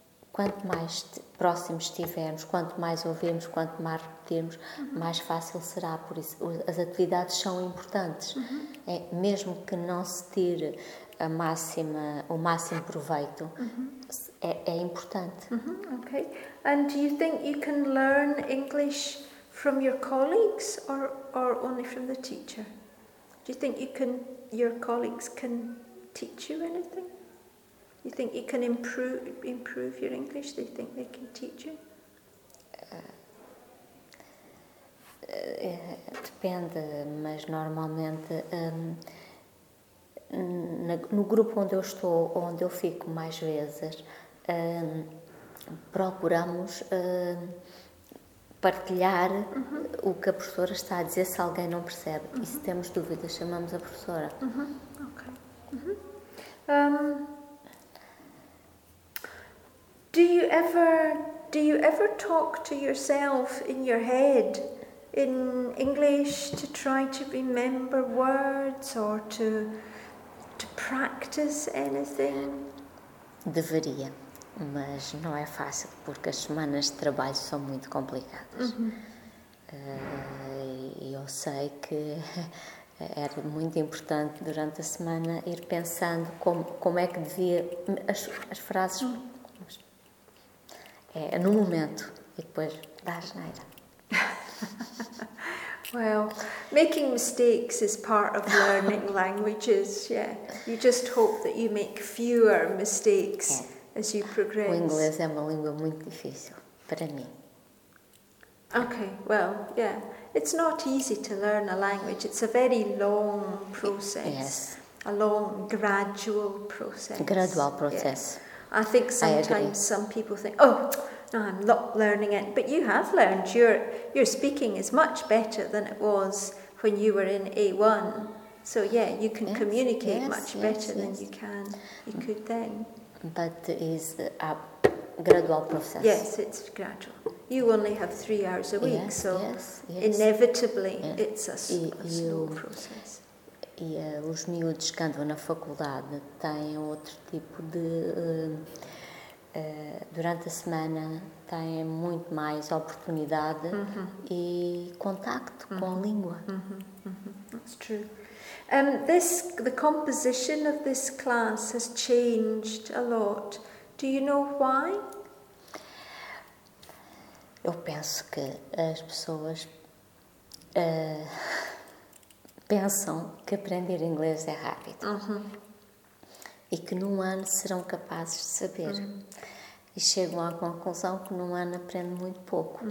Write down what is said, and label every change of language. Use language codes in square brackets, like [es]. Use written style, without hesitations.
[pt] Quanto mais próximos estivermos, quanto mais ouvirmos, quanto mais repetirmos, uhum. mais fácil será. Por isso, as atividades são importantes. Uhum. É, mesmo que não se tire a máxima, o máximo proveito, uhum. é importante. Uhum. Okay. [en] And do you think you can learn English from your colleagues or only from the teacher? Do you think you can, your colleagues can teach you anything? You think you can improve your English? Do you think they can teach you? [pt] Depende, mas normalmente no grupo onde eu estou, onde eu fico mais vezes, procuramos partilhar uh-huh. o que a professora está a dizer se alguém não percebe. Uh-huh. E se temos dúvidas, chamamos a professora. Uh-huh. Ok. Uh-huh. [en] Do you ever talk to yourself in your head in English to try to remember words or to practice anything? [pt] Deveria, mas não é fácil porque as semanas de trabalho são muito complicadas. Uhum. Eu sei que era muito importante durante a semana ir pensando como é que devia as frases. Uhum. É no momento e depois dá a geneira. [en] Well, making mistakes is part of learning languages, yeah. You just hope that you make fewer mistakes as you progress. [pt] O inglês é uma língua muito difícil para mim. [en] Okay, well, yeah. It's not easy to learn a language. It's a very long process. Yes. A long, gradual process. Gradual process. Yeah. I think sometimes some people think, oh, no, I'm not learning it, but you have learned. Your speaking is much better than it was when you were in A1. So yeah, you can communicate much better than you could then. But it is a gradual process. Yes, it's gradual. You only have 3 hours a week, inevitably it's a slow process. [pt] E os miúdos que andam na faculdade têm outro tipo de... durante a semana têm muito mais oportunidade uh-huh. e contacto uh-huh. com a língua. [en] Uh-huh. Uh-huh. That's true. The composition of this class has changed a lot. Do you know why? [pt] Eu penso que as pessoas pensam que aprender inglês é rápido uh-huh. e que num ano serão capazes de saber. Uh-huh. E chegam à conclusão que num ano aprende muito pouco.